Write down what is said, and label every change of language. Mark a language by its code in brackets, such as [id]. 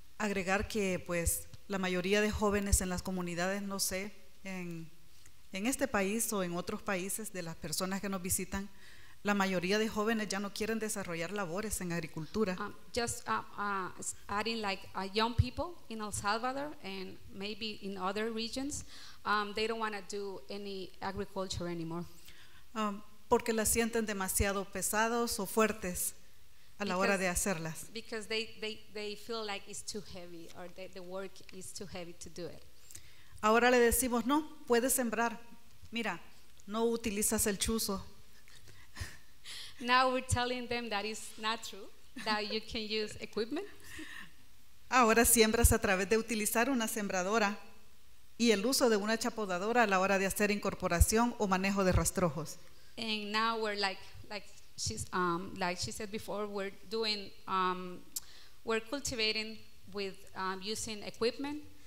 [es] Agregar que pues la mayoría de jóvenes en las comunidades, no sé, en este país o en otros países de las personas que nos visitan, la mayoría de jóvenes ya no quieren desarrollar labores en agricultura. [en] Young people in El Salvador and maybe in other regions, they don't want to do any agriculture anymore. [es] Porque las sienten demasiado pesados o fuertes. a la hora de hacerlas. [en] Because they feel like it's too heavy or the work is too heavy to do it. [es] Ahora le decimos, no, puedes sembrar. Mira, no utilizas el chuzo. [en] Now we're telling them that it's not true, that you can use equipment. [es] Ahora siembras a través de utilizar una sembradora y el uso de una chapodadora a la hora de hacer incorporación o manejo de rastrojos. [en] And now we're like she said before, we're cultivating with using equipment.